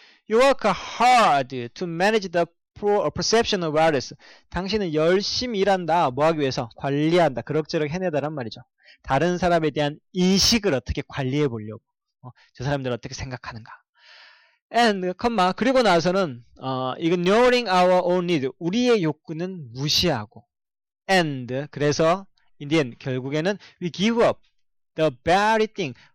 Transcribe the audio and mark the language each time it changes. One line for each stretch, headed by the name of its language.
English: You work hard to manage the perception of wellness.
Korean: 당신은 열심히 일한다. 뭐 하기 위해서? 관리한다. 그럭저럭 해내다란 말이죠. 다른 사람에 대한 인식을 어떻게 관리해 보려고. 저 사람들 어떻게 생각하는가.
English: And,
Korean: 컴마. 그리고 나서는,
English: ignoring our own need.
Korean: 우리의 욕구는 무시하고.
English: And,
Korean: 그래서,
English: in the end,
Korean: 결국에는
English: we give up the very thing.